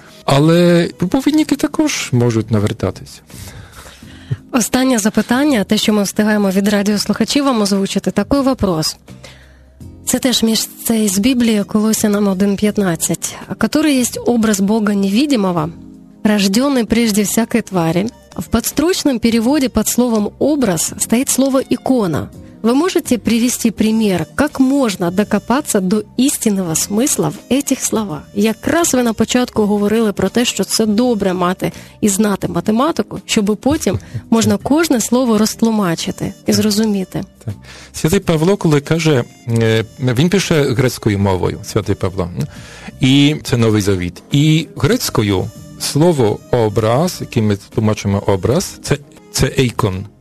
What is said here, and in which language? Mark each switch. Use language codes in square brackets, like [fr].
[uk] Але проповідники також можуть навертатися. Останнє запитання, те, що ми встигаємо від радіослухачів вам озвучити, такий вопрос. Це теж між цей з Біблії Колосянам 1.15. А який є образ Бога невидимого, [ru] рожденный прежде всякой твари. В подстрочном переводе под словом «образ» стоит слово «икона». Вы можете привести пример, как можно докопаться до истинного смысла в этих словах? [uk] Якраз вы на початку говорили про те, что це добре мати і знати математику, щоб потім можна кожне слово розтлумачити і зрозуміти. Святий Павло, коли каже, він пише грецькою мовою, святий Павло, і це Новий Завіт, і грецькою слово «образ», яким ми тлумачимо «образ», це «ейкон».